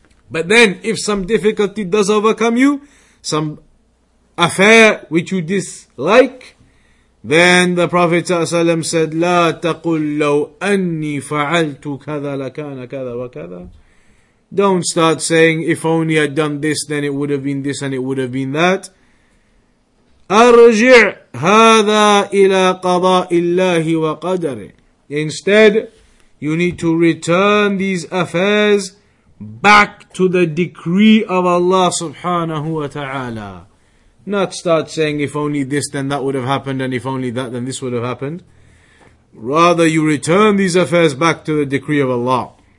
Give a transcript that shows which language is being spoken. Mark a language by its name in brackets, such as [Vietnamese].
[English] But then, if some difficulty does overcome you, some affair which you dislike, then the Prophet ﷺ said, [Arabic] لا تقل لو أني فعلت كذا لكان كذا وكذا. [English] Don't start saying, if only I'd done this, then it would have been this and it would have been that. [Arabic] أرجع هذا إلى قضاء الله وقدره. [English] Instead, you need to return these affairs back to the decree of Allah subhanahu wa ta'ala. Not start saying, if only this, then that would have happened, and if only that, then this would have happened. Rather, you return these affairs back to the decree of Allah.